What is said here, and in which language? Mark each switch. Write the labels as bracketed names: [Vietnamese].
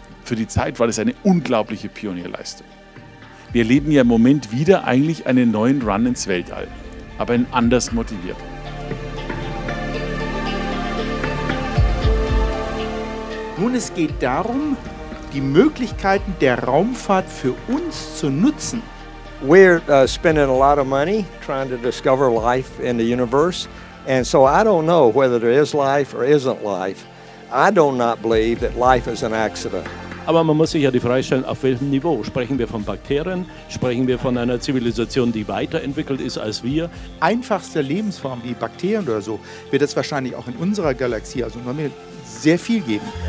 [German] Für die Zeit war das eine unglaubliche Pionierleistung. Wir erleben ja im Moment wieder eigentlich einen neuen Run ins Weltall, aber ein anders motiviert. Nun, es geht darum, die Möglichkeiten der Raumfahrt für uns zu nutzen. [English] We're spending a lot of money trying to discover life in the universe, and so I don't know whether there is life or isn't life. I do not believe that life is an accident. [German] Aber man muss sich ja die Frage stellen, auf welchem Niveau? Sprechen wir von Bakterien? Sprechen wir von einer Zivilisation, die weiterentwickelt ist als wir? Einfachste Lebensform wie Bakterien oder so wird es wahrscheinlich auch in unserer Galaxie, also noch mehr, sehr viel geben.